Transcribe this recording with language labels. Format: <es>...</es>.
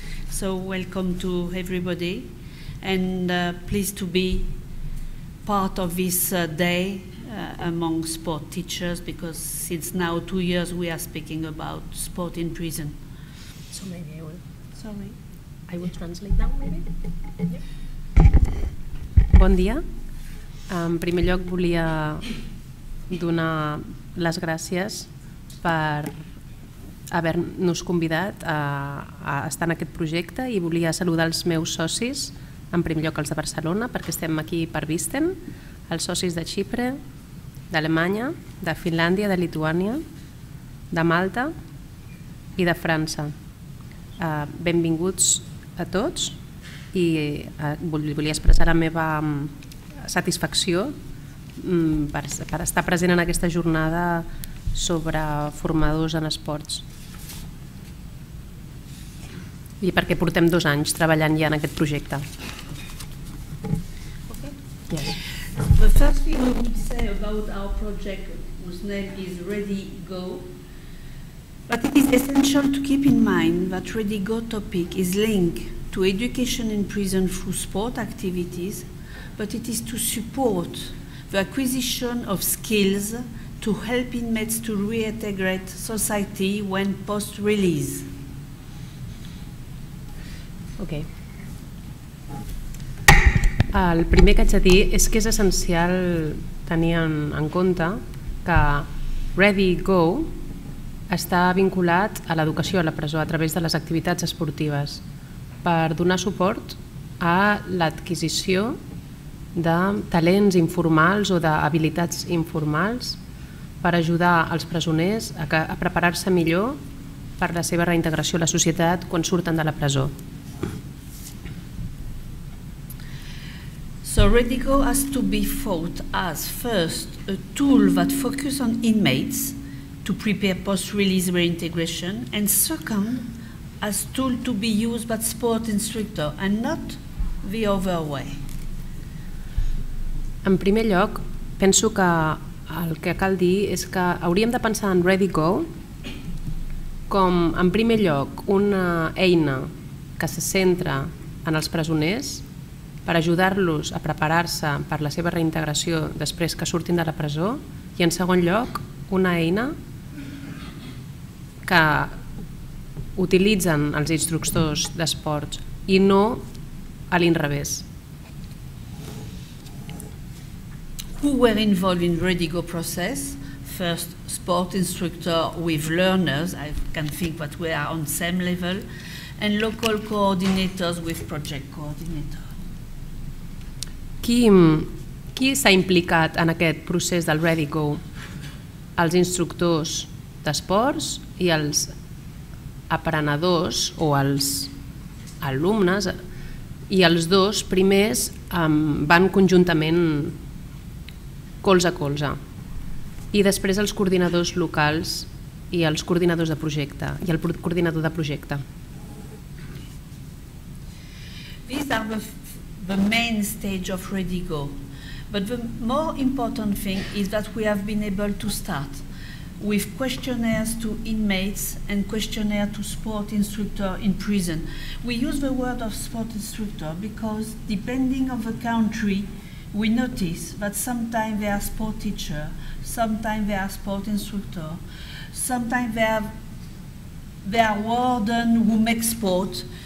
<en>So welcome to everybody. And pleased to be part of this day among sport teachers, because since now 2 years we are speaking about sport in prison. So maybe I will. Sorry. I will translate now, maybe. Yeah.</en> <ca>Bon dia. En primer lloc volia donar les gràcies per haver-nos convidat a, estar en aquest projecte i volia saludar els meus socis. En primer lloc els de Barcelona, perquè estem aquí per Visten, els socis de Xipre, d'Alemanya, de Finlàndia, de Lituània, de Malta i de França. Benvinguts a tots i volia expressar la meva satisfacció per, estar present en aquesta jornada sobre formadors en esports. I perquè portem 2 anys treballant ja en aquest projecte.</ca> <en>Yes. The first thing we would say about our project, whose name is ReadyGo, but it is essential to keep in mind that ReadyGo topic is linked to education in prison through sport activities, but it is to support the acquisition of skills to help inmates to reintegrate society when post-release. Okay.</en> <ca>El primer que haig de dir és que és essencial tenir en, compte que ReadyGo està vinculat a l'educació a la presó a través de les activitats esportives per donar suport a l'adquisició de talents informals o d'habilitats informals per ajudar els presoners a, preparar-se millor per la seva reintegració a la societat quan surten de la presó.</ca> <en>So ReadyGo has to be thought as first a tool that focuses on inmates to prepare post-release reintegration, and second as tool to be used by sport instructor and not the other way.</en> <ca>En primer lloc, penso que el que cal dir és que hauríem de pensar en ReadyGo com, en primer lloc, una eina que se centra en els presoners per ajudar-los a preparar-se per la seva reintegració després que surtin de la presó, i en segon lloc, una eina que utilitzen els instructors d'esports i no a l'inrevés.</ca> <en>Who were involved in ReadyGo process? First, sport instructor with learners. I can think that we are on same level. And local coordinators with project coordinators.</en> <ca>Qui s'ha implicat en aquest procés del ReadyGo? Els instructors d'esports i els aprenedors o els alumnes, i els dos primers van conjuntament colze a colze. I després els coordinadors locals i els coordinadors de projecte i el coordinador de projecte.</ca> <en>These are the main stage of Redigo. But the more important thing is that we have been able to start with questionnaires to inmates and questionnaire to sport instructor in prison. We use the word of sport instructor because depending on the country, we notice that sometimes they are sport teacher, sometimes they are sport instructor, sometimes they are warden who make sport.</en>